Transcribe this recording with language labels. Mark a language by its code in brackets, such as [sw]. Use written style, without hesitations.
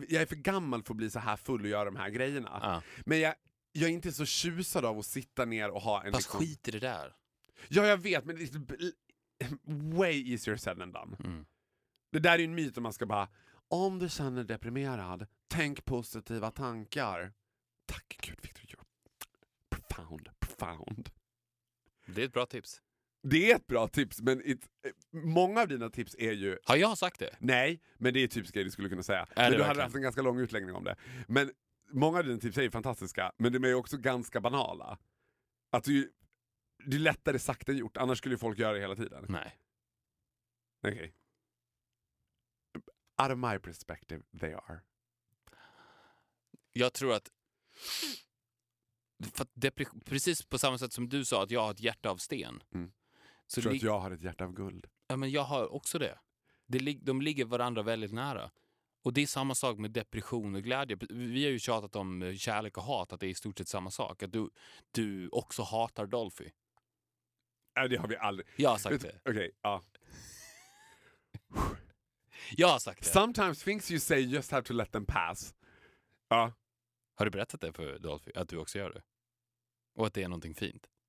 [sv] Jag är för gammal för att bli så här full och göra de här grejerna. Men jag är inte så tjusad av att sitta ner och ha en... Fast liksom... skit i det där. Ja, jag vet, men det är [en] way easier said than done. Mm. [sv] Det där är ju en myt om man ska bara... Om du känner deprimerad, tänk positiva tankar. Tack Gud, [en] Victor, you're profound, profound. [sv] Det är ett bra tips. Det är ett bra tips, men många av dina tips är ju... Har jag sagt det? Nej, men det är typiska grejer du skulle kunna säga. Men du hade haft en ganska lång utläggning om det. Men många av dina tips är ju fantastiska, men de är ju också ganska banala. Att det är lättare sagt än gjort, annars skulle ju folk göra det hela tiden. Nej. Okej. Okay. [en] Out of my perspective, they are. [sv] Jag tror att precis på samma sätt som du sa att jag har ett hjärta av sten. Mm. Så jag tror att jag har ett hjärta av guld. Ja, men jag har också det. De ligger varandra väldigt nära. Och det är samma sak med depression och glädje. Vi har ju tjatat om kärlek och hat, att det är i stort sett samma sak. Att du också hatar Dolphy. Nej, det har vi aldrig. Jag har sagt det. Okej, ja. Jag har sagt det. [en] Sometimes things you say just have to let them pass. [sv] Ja. Har du berättat det för Dolphy, att du också gör det? Och att det är någonting fint?